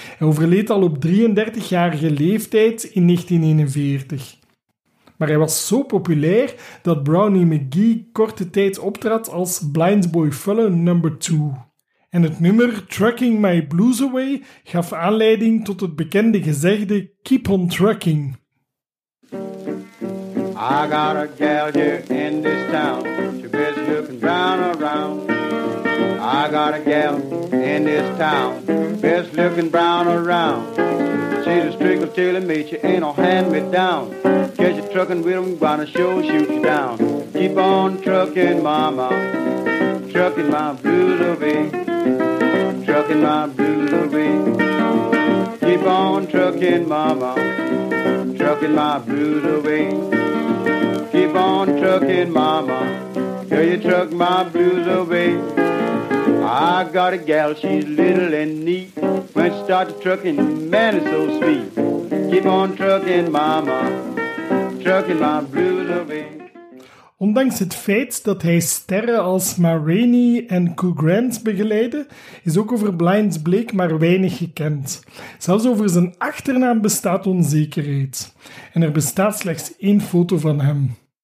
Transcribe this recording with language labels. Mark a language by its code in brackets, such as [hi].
[nl] Hij overleed al op 33-jarige leeftijd in 1941. Maar hij was zo populair dat Brownie McGee korte tijd optrad als Blind Boy Fuller No. 2. En het nummer Trucking My Blues Away gaf aanleiding tot het bekende gezegde Keep on Trucking. [en] I got a gal here in this town, she best looking down around. I got a gal in this town, best looking brown around. She's a strictly tailor mate, she ain't no hand me down. Catch a truckin' with 'em, gonna show shoot you down. Keep on truckin', mama, truckin' my blues away, truckin' my blues away. Keep on truckin', mama, truckin' my blues away. Keep on truckin', mama, girl, you truck my blues away. I got a gal, she's little and neat. When she starts trucking, man, it's so sweet. Keep on trucking, mama. Trucking my blues away. [nl] Ondanks het feit dat hij sterren als Ma Rainey en Cool Grant begeleidde, is ook over Blind Blake maar weinig gekend. Zelfs over zijn achternaam bestaat onzekerheid. En er bestaat slechts één foto van hem.